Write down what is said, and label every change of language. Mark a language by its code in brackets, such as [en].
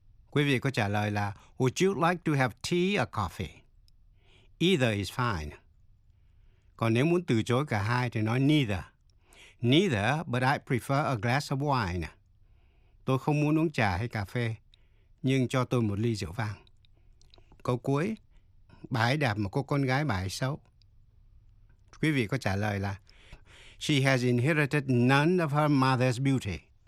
[vi] Quý vị có trả lời là [en] would you like to have tea or coffee? Either is fine. [vi] Còn nếu muốn từ chối cả hai thì nói neither. [en] Neither, but I prefer a glass of wine. [vi] Tôi không muốn uống trà hay cà phê, nhưng cho tôi một ly rượu vang. Câu cuối, bà ấy đạp một cô con gái bà ấy xấu. Quý vị có trả lời là [en] she has inherited none of her mother's beauty.